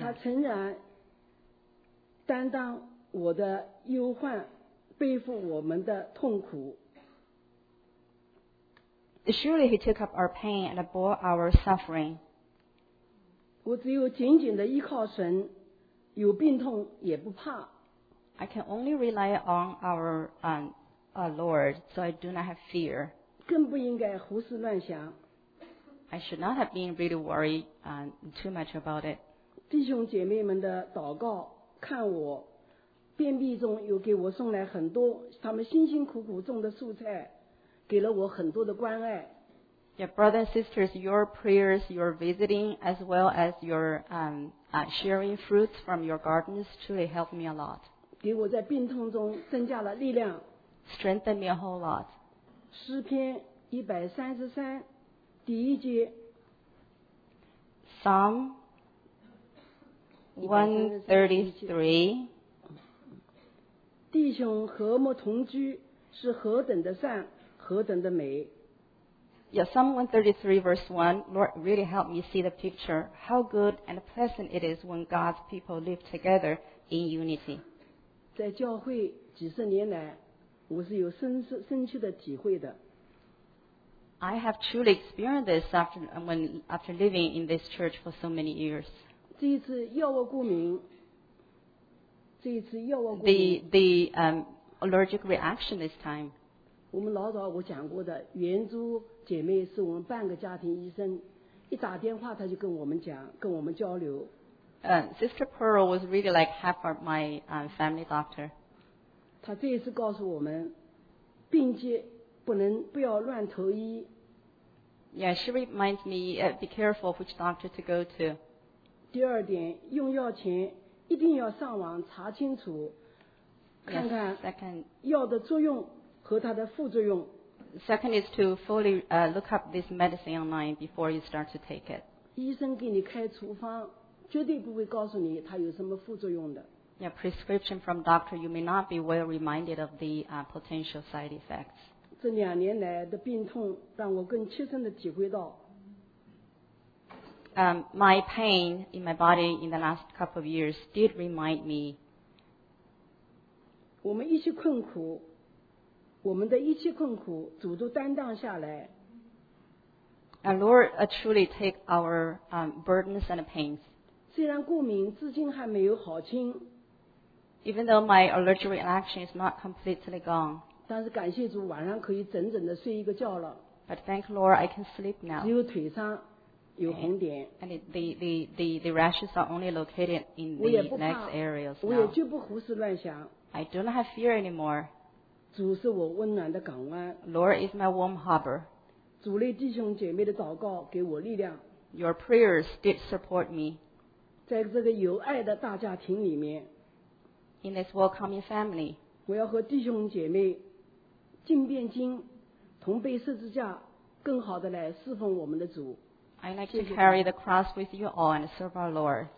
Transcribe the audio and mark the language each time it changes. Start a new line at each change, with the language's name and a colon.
Chinese: 他诚然担当我的忧患，背负我们的痛苦。
English: Surely he took up our pain and bore our suffering.
Chinese: 我只有紧紧地依靠神，有病痛也不怕。
English: I can only rely on our Lord, so I do not have fear.
Chinese: 更不应该胡思乱想。
English: I should not have been really worried too much about it.
Chinese: 弟兄姐妹们的祷告，看我，便秘中又给我送来很多他们辛辛苦苦种的蔬菜。给了我很多的关爱。
English: Yeah, brothers and sisters, your prayers, your visiting, as well as your sharing fruits from your gardens truly helped me a lot.
Chinese: 给我在病痛中增加了力量。
English: Strengthened me a whole lot.
Chinese: 诗篇133:1.
English: Psalm 133.
Chinese: 弟兄和睦同居是何等的善。何等的美。
English: Yeah, Psalm 133:1, Lord really helped me see the picture. How good and pleasant it is when God's people live together in unity.
Chinese: 在教会几十年来，我是有深切的体会的。
English: I have truly experienced this after living in this church for so many years.
Chinese: 这一次药物过敏，这一次药物过敏。
English: The allergic reaction this time.
Chinese: 我们老早我讲过的，圆珠姐妹是我们半个家庭医生，一打电话她就跟我们讲，跟我们交流。
English: Sister Pearl was really like half of my family doctor.
Chinese: 她这一次告诉我们，病机不要乱投医。
English: Yeah, she reminds me be careful which doctor to go to.
Chinese: 第二点，用药前一定要上网查清楚，看看药的作用。和它的副作用。
English: Second is to fully look up this medicine online before you start to take it.
Chinese: 医生给你开处方，绝对不会告诉你它有什么副作用的。
English: Yeah, prescription from doctor, you may not be well reminded of the potential side effects.
Chinese: 这两年来的病痛让我更切身的体会到。
English: My pain in my body in the last couple of years did remind me.
Chinese: 我们一起困苦。我们的一切困苦，主都担当下来。
English: And Lord, truly take our burdens and pains.
Chinese: 虽然过敏至今还没有好清。
English: Even though my allergic reaction is not completely gone.
Chinese: 但是感谢主，晚上可以整整的睡一个觉了。
English: But thank Lord, I can sleep now.
Chinese: 只有腿上有红点。
English: And the rashes are only located in the legs areas now.
Chinese: 我也就不胡思乱想。
English: I do not have fear anymore.
Chinese: 主是我温暖的港湾。
English: Lord is my warm harbor.
Chinese: 主内弟兄姐妹的祷告给我力量。
English: Your prayers did support me.
Chinese: 在这个有爱的大家庭里面。
English: In this welcoming family.
Chinese: 我要和弟兄姐妹进变金，同背十字架，更好的来侍奉我们的主。
English: I'd like to carry the cross with you all and serve our Lord.